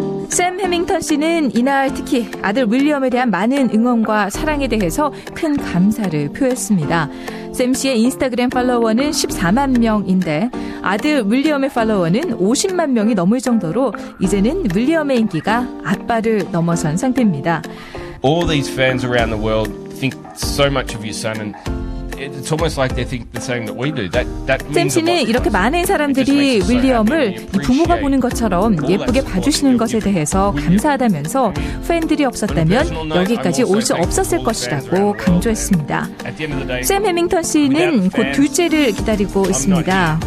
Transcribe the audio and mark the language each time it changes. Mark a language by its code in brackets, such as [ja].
[ko] 샘 해밍턴 씨는 이날 특히 아들 윌리엄에 대한 많은 응원과 사랑에 대해서 큰 감사를 표했습니다. 샘 씨의 인스타그램 팔로워는 14만 명인데 아들 윌리엄의 팔로워는 50만 명이 넘을 정도로 이제는 윌리엄의 인기가 아빠를 넘어선 상태입니다. [en] All these fans around the world think so much of your son and it's almost like they think the same that we do. That [ko] 샘 씨는 이렇게 많은 사람들이 윌리엄을 부모가 보는 것처럼 예쁘게 봐주시는 것에 대해서 감사하다면서 팬들이 없었다면 여기까지 올 수 없었을 것이라고 강조했습니다. 샘 해밍턴 씨는 곧 둘째를 기다리고 있습니다.